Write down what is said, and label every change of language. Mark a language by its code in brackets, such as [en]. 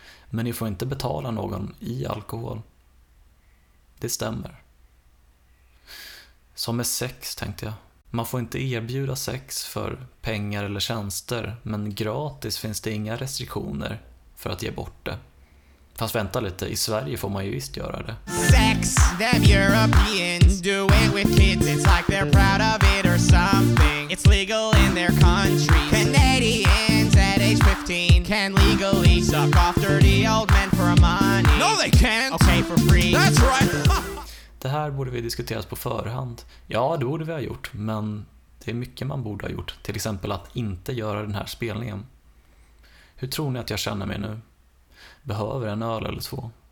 [sv] Men ni får inte betala någon i alkohol. Det stämmer. Som med sex, tänkte jag. Man får inte erbjuda sex för pengar eller tjänster. Men gratis finns det inga restriktioner för att ge bort det. Fast vänta lite, i Sverige får man ju visst göra det. [en] Sex, them Europeans do it with kids. It's like they're proud of it or something. It's legal in their country. Canadians at age 15 can legally suck off dirty old men for money. No they can't. Okay for free. That's right. [sv] Det här borde vi diskuterat på förhand. Ja, det borde vi ha gjort, men det är mycket man borde ha gjort. Till exempel att inte göra den här spelningen. Hur tror ni att jag känner mig nu? Behöver en öl eller två?